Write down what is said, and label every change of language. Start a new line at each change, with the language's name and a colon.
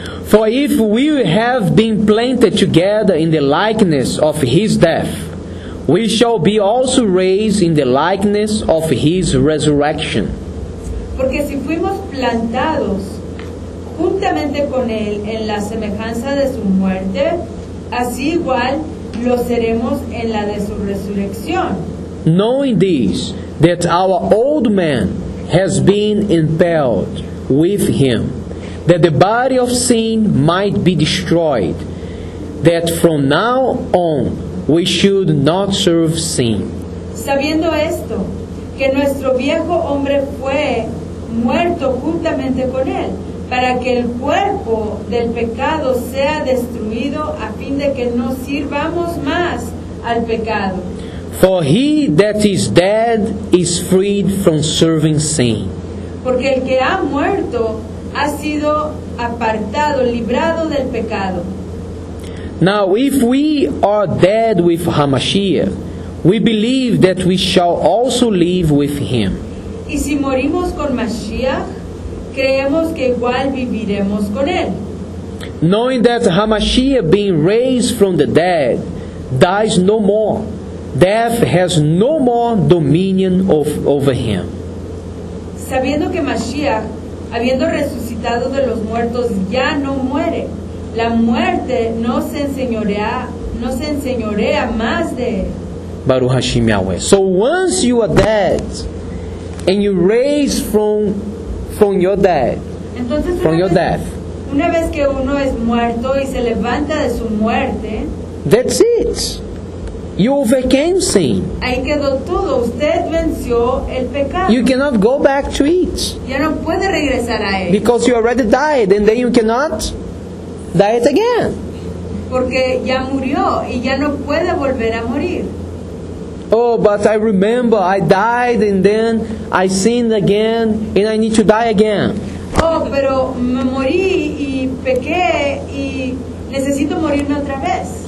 English: For if we have been planted together in the likeness of his death, we shall be also raised in the likeness of his resurrection.
Spanish: Porque si fuimos plantados juntamente con él en la semejanza de su muerte, así igual lo seremos en la de su resurrección.
English: Knowing this, that our old man has been impaled with him, that the body of sin might be destroyed, that from now on we should not serve sin.
Spanish: Sabiendo esto, que nuestro viejo hombre fue muerto juntamente con él, para que el cuerpo del pecado sea destruido, a fin de que no sirvamos más al pecado.
English: For he that is dead is freed from serving sin.
Spanish: Porque el que ha muerto ha sido apartado, librado del pecado.
English: Now, if we are dead with HaMashiach, we believe that we shall also live with him.
Spanish: Y si morimos con Mashiach, creemos que igual viviremos con él.
English: Knowing that HaMashiach, being raised from the dead, dies no more, death has no more dominion over him.
Spanish: Sabiendo que Mashiach, habiendo resucitado de los muertos, ya no muere. La muerte no se enseñorea más de él.
Hebrew: Baruch Hashem Yahweh.
English: So once you are dead, and you raise from your dead,
Spanish: entonces,
English: from your
Spanish: vez,
English: death.
Spanish: Una vez que uno es muerto y se levanta de su muerte,
English: That's it. You overcame sin.
Spanish: Ahí quedó todo. Usted venció el pecado.
English: You cannot go back to it.
Spanish: Ya no puede regresar a él.
English: Because you already died, and then you cannot die it again.
Spanish: Porque ya murió y ya no puede volver a morir.
English: Oh, but I remember I died and then I sinned again and I need to die again.
Spanish: Oh, pero me morí y pequé y necesito morirme otra vez.